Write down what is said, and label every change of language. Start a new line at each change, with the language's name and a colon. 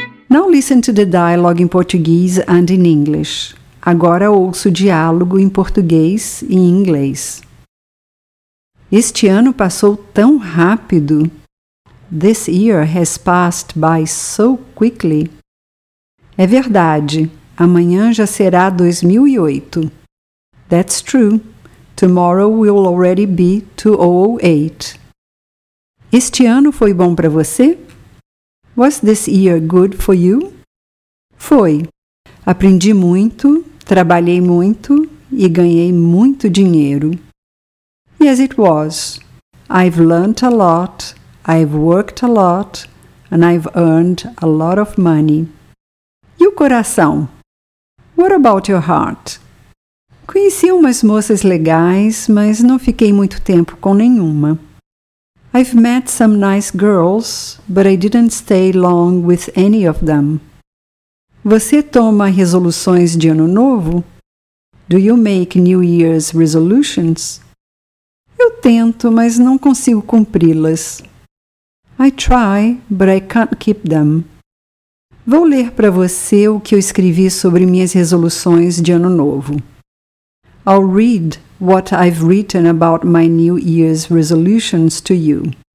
English: Now listen to the dialogue in Portuguese and in English.
Portuguese: Agora ouça o diálogo em português e em inglês. Este ano passou tão rápido.
English: This year has passed by so quickly.
Portuguese: É verdade. Amanhã já será 2008.
English: That's true.
Portuguese: Tomorrow will already be 2008. Este ano foi bom para você?
English: Was this year good for you?
Portuguese: Foi. Aprendi muito, trabalhei muito e ganhei muito dinheiro.
English: Yes, it was. I've learned a lot, I've worked a lot, and I've earned a lot of money.
Portuguese: E o coração?
English: What about your heart?
Portuguese: Conheci umas moças legais, mas não fiquei muito tempo com nenhuma.
English: I've met some nice girls, but I didn't stay long with any of them.
Portuguese: Você toma resoluções de ano novo?
English: Do you make New Year's resolutions?
Portuguese: Eu tento, mas não consigo cumpri-las.
English: I try, but I can't keep them.
Portuguese: Vou ler para você o que eu escrevi sobre minhas resoluções de ano novo.
English: I'll read what I've written about my New Year's resolutions to you.